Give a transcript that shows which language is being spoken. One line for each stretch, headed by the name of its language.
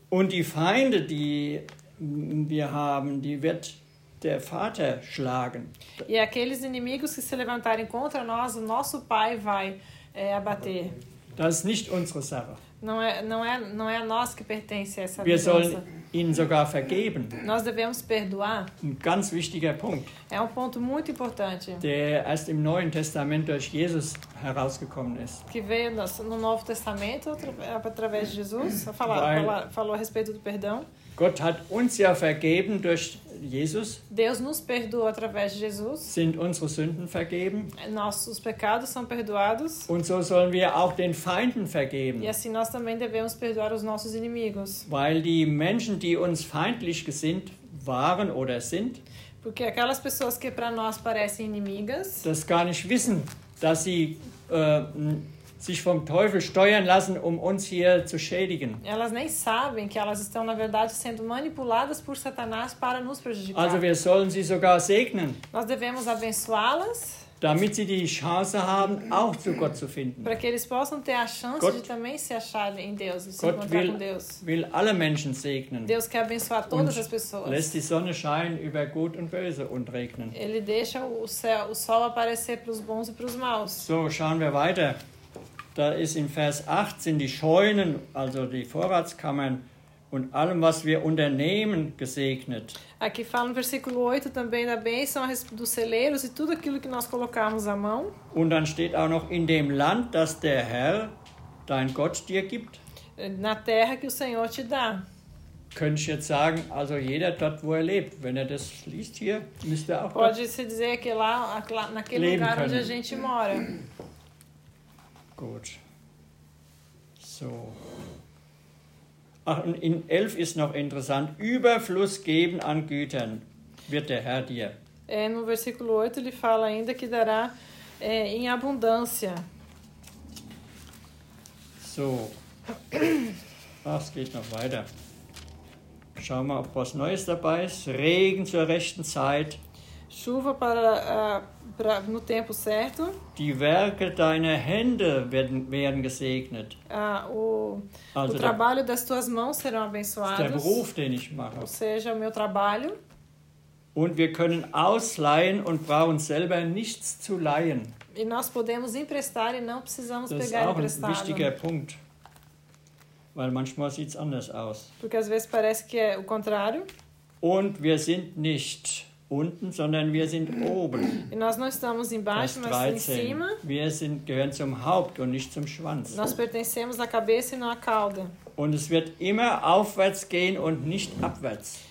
German: Und die Feinde, die wir haben, die wird der Vater schlagen.
Portuguese: E aqueles inimigos que se levantarem contra nós, o nosso Pai vai abater.
German: Das ist nicht unsere Sache.
Portuguese: Não é a nós que pertence essa
German: wir
Portuguese: doença.
German: Sollen ihnen sogar vergeben.
Portuguese: Nós devemos perdoar.
German: Ein ganz wichtiger Punkt.
Portuguese: É ponto muito importante.
German: Der erst im Neuen Testament durch Jesus herausgekommen ist.
Portuguese: Que veio no Novo Testamento através de Jesus. Falou a respeito do perdão.
German: Gott hat uns ja vergeben durch Jesus.
Portuguese: Deus nos perdoou através de Jesus.
German: Sind unsere Sünden vergeben.
Portuguese: Nossos pecados são perdoados.
German: Und so sollen wir auch den Feinden vergeben.
Portuguese: E assim nós também devemos perdoar os nossos inimigos.
German: Weil die Menschen, die uns feindlich gesinnt waren oder sind.
Portuguese: Porque aquelas pessoas que para nós parecem inimigas.
German: Das gar nicht wissen, dass sie sich vom Teufel steuern lassen, um uns hier zu schädigen.
Portuguese: Elas nem sabem que elas estão na verdade sendo manipuladas por Satanás para nos prejudicar.
German: Also wir sollen sie sogar segnen.
Portuguese: Nós devemos abençoá-las.
German: Damit sie die Chance haben, auch zu Gott zu finden.
Portuguese: Para que eles possam ter a chance
German: Gott,
Portuguese: de também se acharem em Deus, de se
German: Gott
Portuguese: encontrar com Deus.
German: Gott will alle Menschen segnen.
Portuguese: Deus quer abençoar todas as pessoas.
German: Lässt die Sonne scheinen über gut und böse und regnen.
Portuguese: Ele deixa o sol aparecer para os bons e para os maus.
German: So, schauen wir weiter. Da ist in Vers 18 die Scheunen, also die Vorratskammern und allem, was wir unternehmen, gesegnet.
Portuguese: Aqui fala no versículo 8 também da bênção dos celeiros e tudo aquilo que nós colocarmos à mão.
German: Und dann steht auch noch in dem Land, das der Herr, dein Gott, dir gibt.
Portuguese: Na terra que o Senhor te dá.
German: Könnte ich jetzt sagen, also jeder dort, wo er lebt, wenn er das liest hier, müsste auch
Portuguese: pode se dizer que lá, naquele
German: leben
Portuguese: lugar
German: können.
Portuguese: Onde a gente mora.
German: Gut. So. Ach, in 11 ist noch interessant. Überfluss geben an Gütern wird der Herr dir.
Portuguese: No versículo 8 ele fala ainda que dará em abundância.
German: So. Ach, es geht noch weiter. Schauen wir, ob was Neues dabei ist. Regen zur rechten Zeit.
Portuguese: Chuva para no tempo certo.
German: Die Werke deiner Hände werden gesegnet.
Portuguese: Ah, also o trabalho das tuas mãos serão abençoados.
German: Der Beruf, den ich mache.
Portuguese: Ou seja, o meu trabalho.
German: Und wir können ausleihen und brauchen selber nichts zu leihen.
Portuguese: E nós podemos emprestar e não precisamos pegar emprestado.
German: Das ist auch ein wichtiger Punkt, weil manchmal sieht's anders aus.
Portuguese: Porque às vezes parece que é o contrário.
German: Und wir sind nicht unten, sondern wir sind oben.
Portuguese: E nós não estamos embaixo, mas em cima.
German: Wir sind gehören zum Haupt und nicht zum Schwanz.
Portuguese: Nós pertencemos à cabeça e não à cauda.
German: Und es wird immer aufwärts gehen und nicht abwärts.